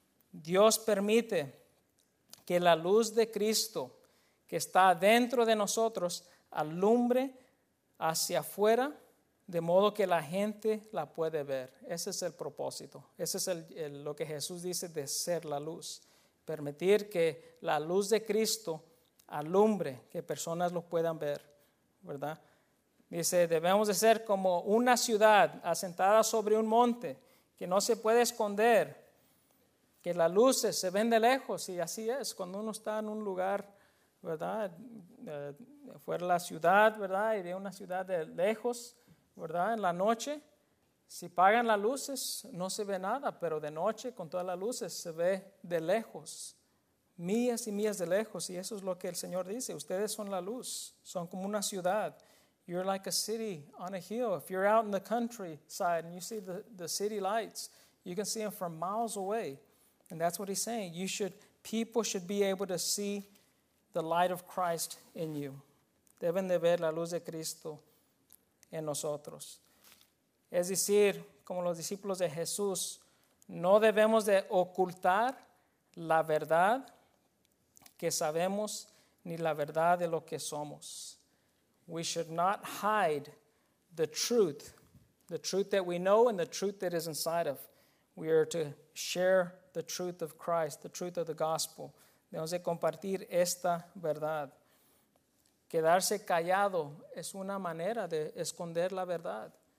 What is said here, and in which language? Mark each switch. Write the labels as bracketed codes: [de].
[es] Dios permite que la luz de Cristo que está dentro de nosotros alumbre hacia afuera de modo que la gente la puede ver. Ese es el propósito. Ese es lo que Jesús dice de ser la luz. Permitir que la luz de Cristo alumbre, que personas lo puedan ver, ¿verdad? Dice, debemos de ser como una ciudad asentada sobre un monte que no se puede esconder. Que las luces se ven de lejos y así es. Cuando uno está en un lugar, ¿verdad? Fuera de la ciudad, ¿verdad? Y ve una ciudad de lejos, ¿verdad? En la noche, si apagan las luces, no se ve nada. Pero de noche, con todas las luces, se ve de lejos. Millas y millas de lejos. Y eso es lo que el Señor dice. Ustedes son la luz. Son como una ciudad. [en] You're like a city on a hill. If you're out in the countryside and you see the city lights, you can see them from miles away. And that's what he's saying. People should be able to see the light of Christ in you. [es] Deben de ver la luz de Cristo en nosotros. Es decir, como los discípulos de Jesús, no debemos de ocultar la verdad que sabemos ni la verdad de lo que somos. [en] We should not hide the truth that we know and the truth that is inside of. We are to share the truth of Christ, the truth of the gospel. [es] Debemos de compartir esta verdad. Quedarse callado es una manera de esconder la verdad.